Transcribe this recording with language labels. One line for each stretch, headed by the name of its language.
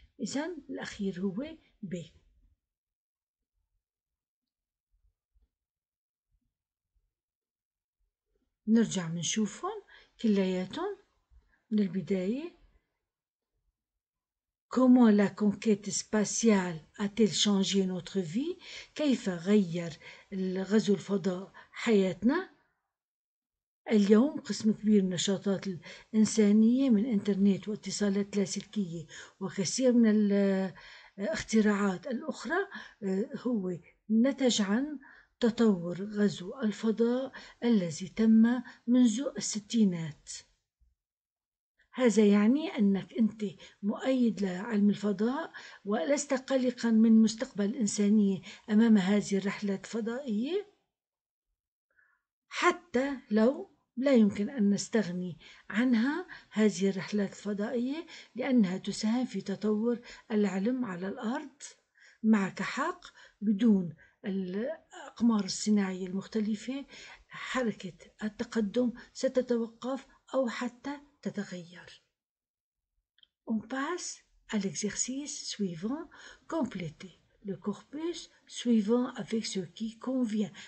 Arabic: إذا الأخير هو بي. نرجع منشوفهم كلياتهم من البداية.
French: Comment la conquête spatiale a-t-elle changé notre vie?
Arabic: كيف غير غزو الفضاء حياتنا؟ اليوم قسم كبير من النشاطات الإنسانية من إنترنت واتصالات لاسلكية وكثير من الاختراعات الأخرى هو نتج عن تطور غزو الفضاء الذي تم منذ الستينات. هذا يعني أنك أنت مؤيد لعلم الفضاء ولست قلقا من مستقبل الإنسانية أمام هذه الرحلات الفضائية، حتى لو لا يمكن أن نستغني عنها هذه الرحلات الفضائية لأنها تساهم في تطور العلم على الأرض. معك حق، بدون الأقمار الصناعية المختلفة حركة التقدم ستتوقف أو حتى تتغير.
French: On passe à l'exercice suivant. Complétez le corpus suivant avec ce qui convient.